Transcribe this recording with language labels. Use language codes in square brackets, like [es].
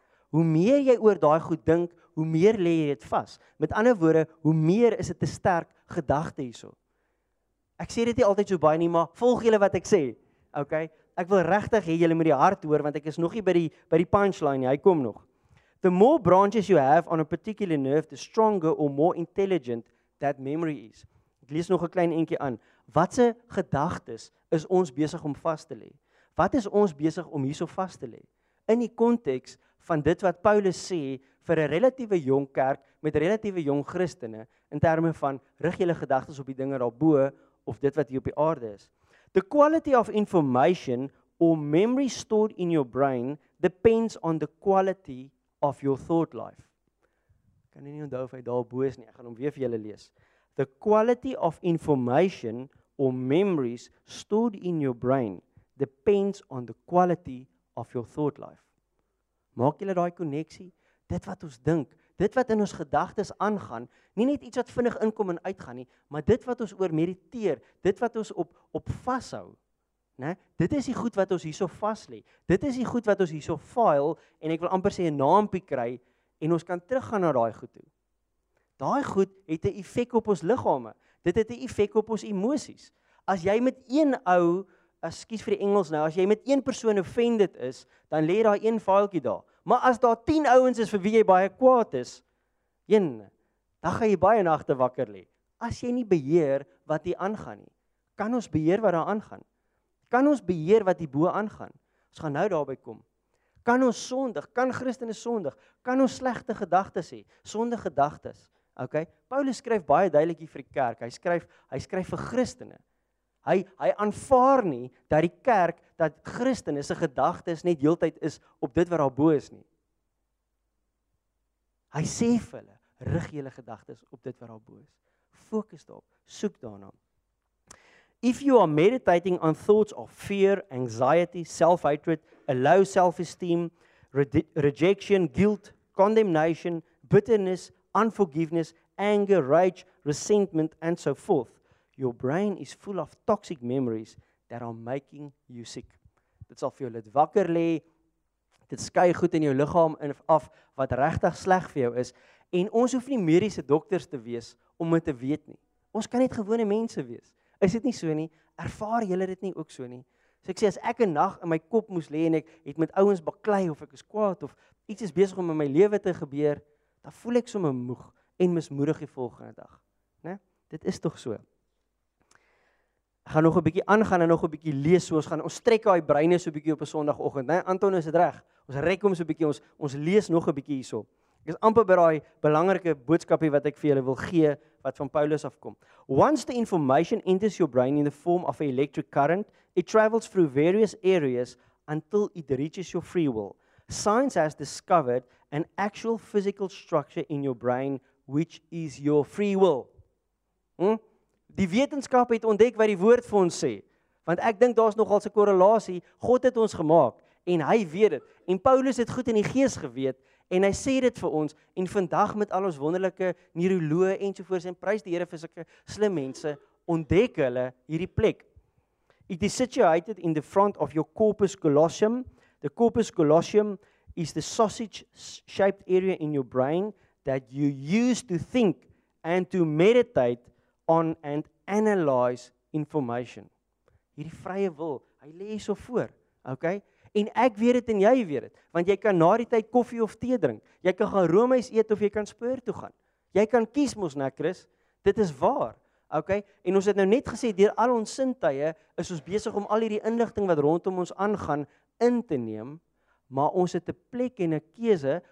[af] Hoe meer jy oor daai goed dink, hoe meer lê jy dit vas. Met ander woorde, hoe meer is dit 'n sterk gedagte hierso. Ek sê dit nie altyd so baie nie, maar volg julle wat ek sê. Okay? Ek wil regtig hê julle moet die hart hoor want ek is nog nie by die punchline nie. Hy kom nog. [en] The more branches you have on a particular nerve, the stronger or more intelligent that memory is. [af] Ek lees nog 'n klein entjie aan. Watse gedagtes is ons besig om vas te lê? Wat is ons besig om hierso vas te lê? In die konteks van dit wat Paulus sê vir 'n relatiewe jong kerk met relatiewe jong Christene in terme van rig julle gedagtes op die dinge daarbo of dit wat hier op die aarde is. [en] The quality of information or memory stored in your brain depends on the quality of your thought life. [af] Ek kan nie onthou of hy daarbo is nie. Ek gaan hom weer vir julle lees. [en] The quality of information or memories stored in your brain depends on the quality of your thought life. [af] Maak julle daai koneksie? Dit wat ons dink, dit wat in ons gedagtes aangaan, nie net iets wat vinnig inkom en uitgaan nie, maar dit wat ons oor mediteer, dit wat ons op vashou, né? Dit is die goed wat ons hierso vas lê. Dit is die goed wat ons hierso file en ek wil amper sê 'n naampie kry en ons kan teruggaan na daai goed toe. Daai goed het 'n effek op ons liggame. Dit het 'n effek op ons emosies. As jy met een ou, ekskuus vir die Engels nou, as jy met een persoon offended is, dan lê daar een faaltjie daar. Maar as daar 10 ouens is vir wie jy baie kwaad is, een, dan gaan jy baie nagte wakker lê. As jy nie beheer wat hier aangaan nie, kan ons beheer wat daar aangaan? Kan ons beheer wat hierbo aangaan? Ons gaan nou daarby kom. Kan ons sondig? Kan Christene sondig? Kan ons slegte gedagtes hê? Sondige gedagtes. OK. Paulus skryf baie duidelik hier vir die kerk. Hy skryf vir Christene. Hy aanvaar nie dat die kerk, dat Christene se gedagtes net heeltyd is op dit wat daarbo is nie. Hy sê vir hulle, rig julle gedagtes op dit wat daarbo is. Fokus daarop, soek daarna. [en] If you are meditating on thoughts of fear, anxiety, self-hatred, a low self-esteem, rejection, guilt, condemnation, bitterness, unforgiveness, anger, rage, resentment, and so forth, your brain is full of toxic memories that are making you sick. [af] Dit sal vir jou laat wakker lê. Dit skei goed in jou liggaam in af wat regtig sleg vir jou is. En ons hoef nie mediese dokters te wees om dit te weet nie. Ons kan net gewone mense wees. Is dit nie so nie? Ervaar julle dit nie ook so nie? So ek sê, as ek 'n nag in my kop moes lê en ek het met ouens baklei of ek is kwaad of iets is besig om in my lewe te gebeur, dan voel ek sommer moeg en mismoedig die volgende dag. Né? Dit is tog so. Ek gaan nog 'n bietjie aangaan en nog 'n bietjie lees, so ons strek daai breine so 'n bietjie op 'n Sondagoggend, né? Anton is dit reg. Ons rek hom so 'n bietjie, ons lees nog 'n bietjie hierso. Ek is amper by daai belangrike boodskapie wat ek vir julle wil gee wat van Paulus afkom. [en] Once the information enters your brain in the form of an electric current, it travels through various areas until it reaches your free will. Science has discovered an actual physical structure in your brain which is your free will. [af] Die wetenskap het ontdek wat die woord vir ons sê. Want ek dink daar's nogal 'n korrelasie. God het ons gemaak en hy weet dit. En Paulus het goed in die gees geweet. En hy sê dit vir ons en vandag met al ons wonderlike neuroloë ensovoorts en prys die Here vir sulke slim mense ontdek hulle hierdie plek. [en] It is situated in the front of your corpus callosum. The corpus callosum is the sausage shaped area in your brain that you use to think and to meditate on and analyze information. [af] Hierdie vrye wil, hy lê hier so voor. Okay? En ek weet dit en jy weet dit, want jy kan na die tyd koffie of tee drink. Jy kan gaan roomys eet of jy kan spoor toe gaan. Jy kan kies mos, né, Chris? Dit is waar. Okay? En ons het nou net gesê deur al ons sintuie is ons besig om al hierdie inligting wat rondom ons aangaan in te neem, maar ons het 'n plek en 'n keuse.